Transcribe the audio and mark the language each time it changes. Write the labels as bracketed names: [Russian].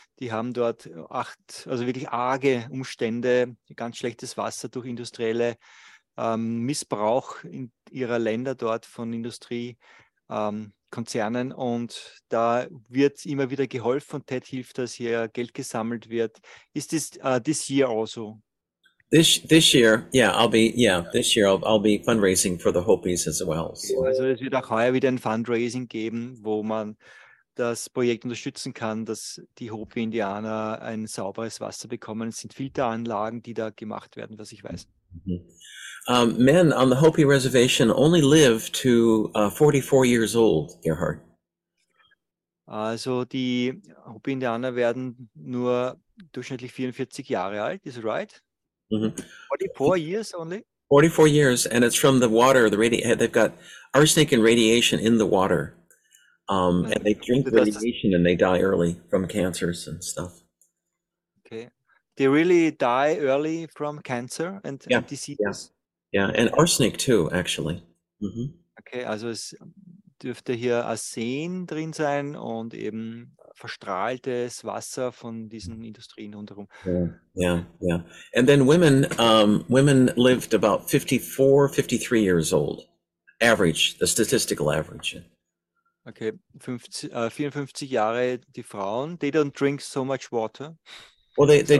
[German] Die haben dort also wirklich arge Umstände, ganz schlechtes Wasser durch industrielle Missbrauch in ihrer Länder dort von Industrie. Konzernen und da wird immer wieder geholfen und Ted hilft, dass hier Geld gesammelt wird. Ist es [English] this year also? This year, this year I'll be fundraising for the Hopis as well. [German] Also es wird auch heuer wieder ein Fundraising geben, wo man das Projekt unterstützen kann, dass die Hopi-Indianer ein sauberes Wasser bekommen. Es sind Filteranlagen, die da gemacht werden, was ich weiß. [English] Men on the Hopi Reservation only live to 44 years old, Gerhard. [German] Also die Hopi-Indianer werden nur durchschnittlich 44 Jahre alt, [English] is it right? 44 years only? 44 years, and it's from the water. They've got arsenic and radiation in the water, and they drink radiation and they die early from cancers and stuff. Okay. They really die early from cancer and diseases? And arsenic too, actually. [German] Okay, also es dürfte hier Arsen drin sein und eben verstrahltes Wasser von diesen Industrien rundherum. [English] And then women lived about 54, 53 years old, average, the statistical average. [German] Okay, 54 Jahre die Frauen. [English] They don't drink so much water. Well, they Sorry,